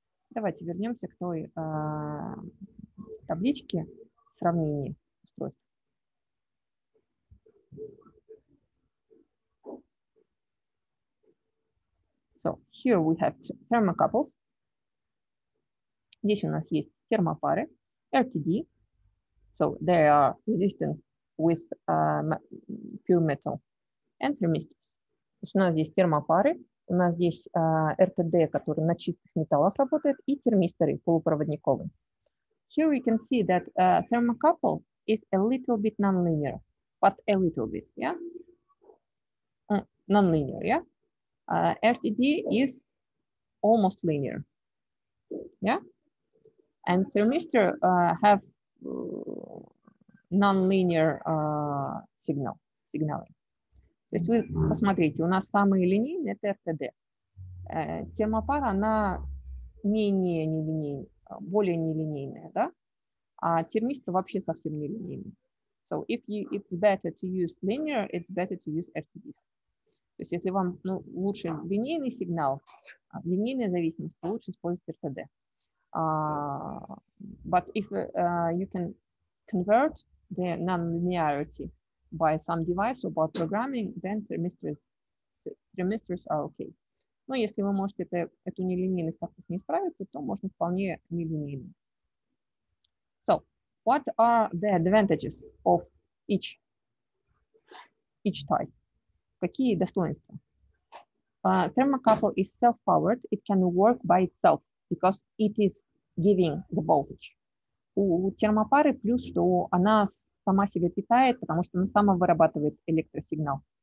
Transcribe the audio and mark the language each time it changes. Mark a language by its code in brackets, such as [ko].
[ru] Давайте вернемся к той табличке сравнения устройств. [en] So here we have thermocouples. [ru] Здесь у нас есть термопары, RTD. [en] So they are resistant with pure metal and thermistors. [ru] То есть у нас здесь термопары, у нас здесь RTD, который на чистых металлах работает, и термисторы полупроводниковые. [en] Here we can see that thermocouple is a little bit nonlinear, but a little bit, yeah? Nonlinear, yeah? RTD is almost linear, yeah? And thermistor have non-linear [ru] сигналы. То есть вы посмотрите, у нас самые линейные это RTD. Термопара, она менее нелинейная, более нелинейная, да? А термистор вообще совсем нелинейный. [en] So if you, it's better to use linear, it's better to use RTDs. [ru] То есть если вам лучше линейный сигнал, линейная зависимость, то лучше использовать RTD. [en] But if you can convert the non-linearity by some device or by programming, then thermistors are okay. [ru] Но если вы можете эту нелинейность как-то не справиться, то можно вполне нелинейно. [en] So, what are the advantages of each type? [ru] Какие достоинства? [en] Thermocouple is self-powered. It can work by itself because it is giving the voltage. [ru] У термопары плюс, что она сама себя питает, потому что она сама вырабатывает электросигнал.